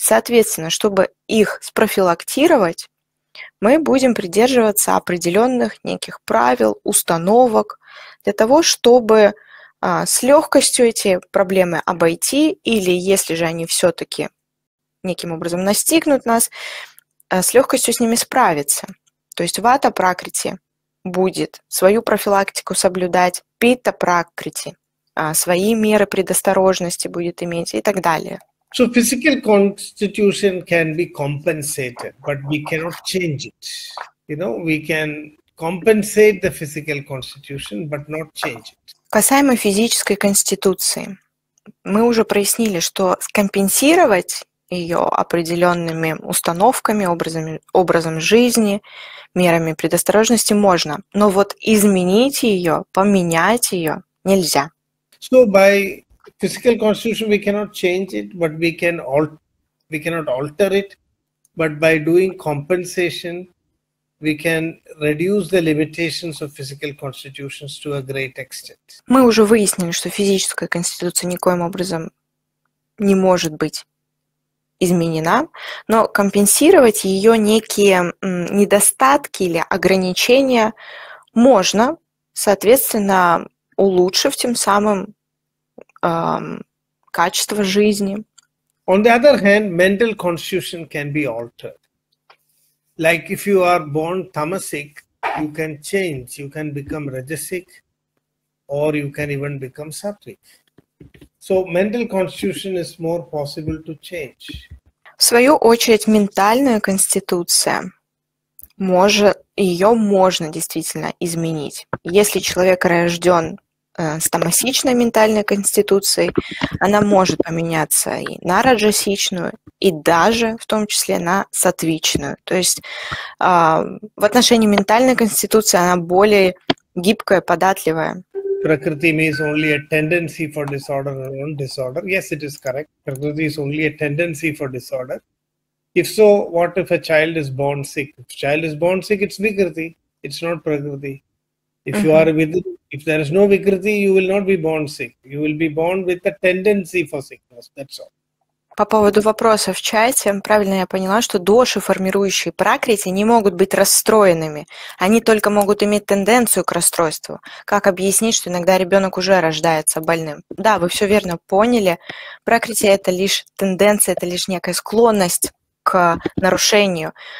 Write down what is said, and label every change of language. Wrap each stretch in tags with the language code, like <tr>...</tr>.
<ru>Соответственно, чтобы их спрофилактировать, мы будем придерживаться определенных неких правил, установок для того, чтобы с легкостью эти проблемы обойти, или если же они все-таки неким образом настигнут нас, с легкостью с ними справиться. То есть вата пракрити будет свою профилактику соблюдать, питта пракрити свои меры предосторожности будет иметь и так далее.</ru> <en>So physical constitution can be compensated, but we cannot change it. You know, we can compensate the physical constitution, but not change it.</en> <ru>Касаемо физической конституции, мы уже прояснили, что компенсировать ее определенными установками, образом жизни, мерами предосторожности можно, но вот изменить ее, поменять ее нельзя.</ru> <en>So by physical constitution, we cannot change it, but we cannot alter it. But by doing compensation, we can reduce the limitations of physical constitutions to a great extent.</en> <ru>Мы уже выяснили, что физическая конституция никоим образом не может быть изменена, но компенсировать ее некие недостатки или ограничения можно, соответственно, улучшив тем самым качество жизни.</ru> <en>On the other hand, mental constitution can be altered. Like if you are born tamasic, you can change, you can become rajasic, or you can even become sattvic. So mental constitution is more possible to change.</en> <ru>В свою очередь, ментальная конституция может, ее можно действительно изменить. Если человек рожден с тамасичной ментальной конституцией, она может поменяться и на раджасичную, и даже в том числе на сатвичную. То есть в отношении ментальной конституции она более гибкая, податливая.</ru> <en>Prakriti means only a tendency for disorder or own disorder. Yes, it is correct. Prakriti is only a tendency for disorder. If so, what if a child is born sick? If a child is born sick, it's vikriti. It's not prakriti. If you are with, if there is no vikriti, you will not be born sick. You will be born with a tendency for sickness. That's all.</en> <ru>По поводу вопроса в чате, правильно я поняла, что доши, формирующие пракрити, не могут быть расстроенными. Они только могут иметь тенденцию к расстройству. Как объяснить, что иногда ребенок уже рождается больным? Да, вы все верно поняли. Пракрити – это лишь тенденция, это лишь некая склонность к нарушению.</ru>